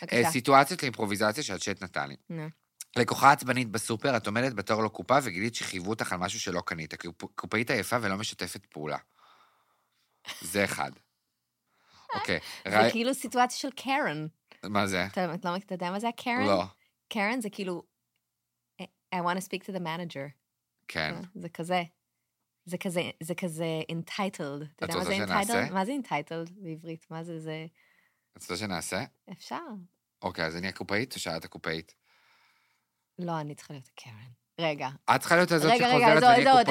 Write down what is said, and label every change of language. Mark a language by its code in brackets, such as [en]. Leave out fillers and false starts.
[he] סיטואציות לאימפרוביזציה שהצ'אט נתן לי. לקוחה עצבנית בסופר, את עומדת בתור לקופה וגילית שחייבו אותך על משהו שלא קנית. קופאית עייפה ולא משתפת פעולה. זה אחד. אוקיי. זה כאילו סיטואציה של קארן. מה זה? את לא יודע מה זה הקארן? לא. קארן זה כאילו, [en] I want to speak to the manager. [he] כן. זה כזה. זה כזה, זה כזה entitled. את רוצה שנעשה? מה זה entitled בעברית? מה זה, זה... את רוצה שנעשה? אפשר. אוקיי, אז אני הקופאית או שאת הקופאית? לא, אני צריכה להיות הקרן. רגע. את צריכה להיות הזאת שחוזרת ואני הקופאית העייפה.